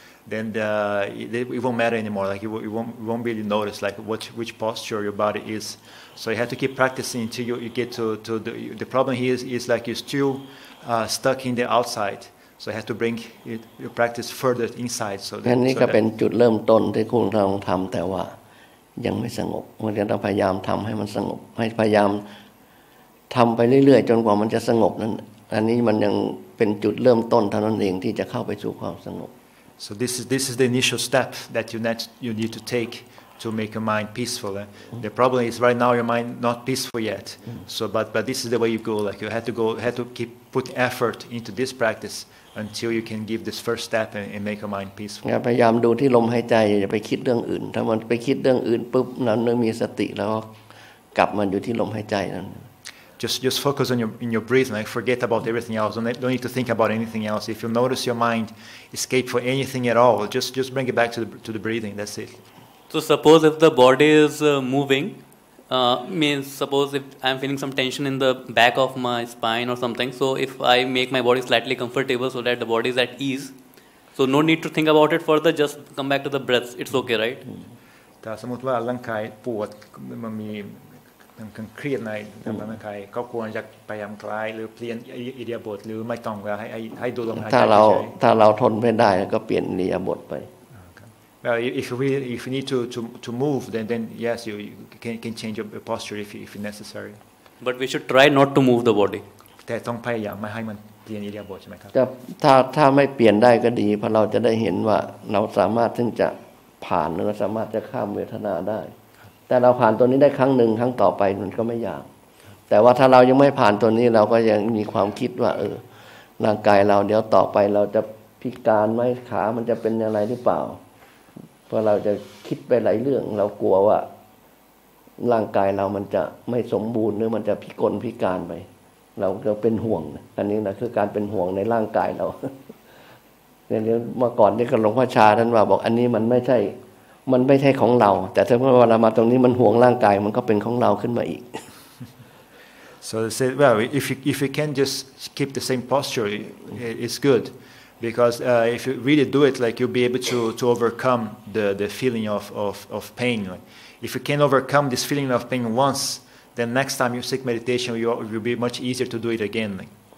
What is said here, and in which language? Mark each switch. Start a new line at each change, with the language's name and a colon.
English: then it won't matter anymore like you won't really notice like which posture your body is so you have to keep practicing until you get to the problem here is like you're still stuck in the outside so you have to bring it, your practice further inside so
Thai: then นี่ก็เป็นจุดเริ่มต้นที่คุณต้องทำแต่ว่ายังไม่สงบเมื่อเรียนต้องพยายามทำให้มันสงบให้พยายามทำไปเรื่อยๆจนกว่ามันจะสงบนั่นอันนี้มันยังเป็นจุดเริ่มต้นเท่านั้นเองที่จะเข้าไปสู่ความสงบ
English: so this is the initial step that you need to take to make your mind peaceful eh? The problem is right now your mind not peaceful yet so but this is the way you go like you have to keep put effort into this practice until you can give this first step and make your mind peaceful
Thai: พยายามดูที่ลมหายใจอย่าไปคิดเรื่องอื่นถ้ามันไปคิดเรื่องอื่นปุ๊บนั้นมีสติแล้วกลับมาอยู่ที่ลมหายใจนั้น
English: just focus on your breathing like forget about everything else don't need to think about anything else if you notice your mind escape for anything at all just bring it back to the breathing that's it so suppose if the body is movingmeans suppose if I'm feeling some tension in the back of my spine or something so if I make my body slightly comfortable so that the body is at ease so no need to think about it further just come back to the breath it's okay right
Thai: ถ้าสมมติว่าร่างกายปวดมันมีมันเครียดในทางร่างกายก็ควรจะพยายามคลายหรือเปลี่ยนอิริยาบถหรือไม่ต้องให้ดูลมหายใจ ถ้าเราทนไม่ได้ก็เปลี่ยนอิริยาบถไป
English: Well, if you need to move, then yes, you can change your posture if necessary. But we should try not to move the body.
Thai: แต่ต้องพยายามไม่ให้มันเปลี่ยนอิริยาบถใช่ไหมครับ ถ้าไม่เปลี่ยนได้ก็ดีเพราะเราจะได้เห็นว่าเราสามารถที่จะผ่านหรือสามารถจะข้ามเวทนาได้แต่เราผ่านตัวนี้ได้ครั้งหนึ่งครั้งต่อไปมันก็ไม่ยากแต่ว่าถ้าเรายังไม่ผ่านตัวนี้เราก็ยังมีความคิดว่าร่างกายเราเดี๋ยวต่อไปเราจะพิการไหมขามันจะเป็นอะไรหรือเปล่าเพราะเราจะคิดไปหลายเรื่องเรากลัวว่า ร่างกายเรามันจะไม่สมบูรณ์หรือมันจะพิกลพิการไปเราเป็นห่วงอันนี้นะคือการเป็นห่วงในร่างกายเราเรื่องเมื่อก่อนที่หลวงพ่อชาท่านว่าบอกอันนี้มันไม่ใช่ มันไม่ใช่ของเราแต่ถ้าเวลามาตรงนี้มันห่วงร่างกายมันก็เป็นของเราขึ้นมาอีก
English: So they said, well, if you can just keep the same posture, it's good, because if you really do it, like you'll be able to overcome the feeling of pain. Like, if you can overcome this feeling of pain once, then next time you seek meditation, you'll be much easier to do it again. Like.